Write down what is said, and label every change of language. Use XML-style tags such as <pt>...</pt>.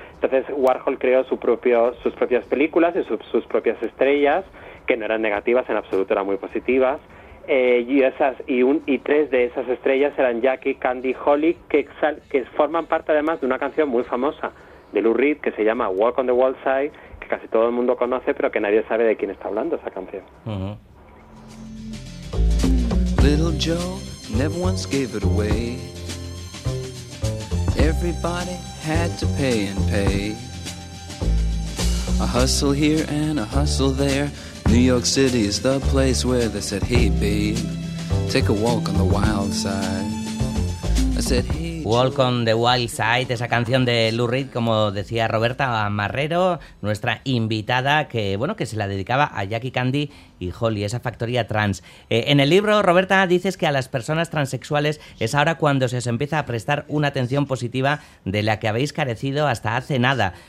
<es>Entonces Warhol creó sus propias películas y sus propias estrellas, que no eran negativas en absoluto, eran muy positivas. Y tres de esas estrellas eran Jackie, Candy, Holly, que forman parte además de una canción muy famosa de Lou Reed que se llama Walk on the Wild Side, que casi todo el mundo conoce, pero que nadie sabe de quién está hablando esa canción.</es> <en>Little Joe never once gave it away. Everybody had to pay and pay. A hustle here and a hustle there. New York City is the place where they said, hey babe, take a walk on the wild side. I said, hey.</en> <es>Walk on the Wild Side, esa canción de Lou Reed, como decía Roberta Marrero, nuestra invitada, que bueno, que se la dedicaba a Jackie, Candy y Holly, esa factoría trans. En el libro, Roberta, dices que a las personas transexuales es ahora cuando se os empieza a prestar una atención positiva de la que habéis carecido hasta hace nada.</es>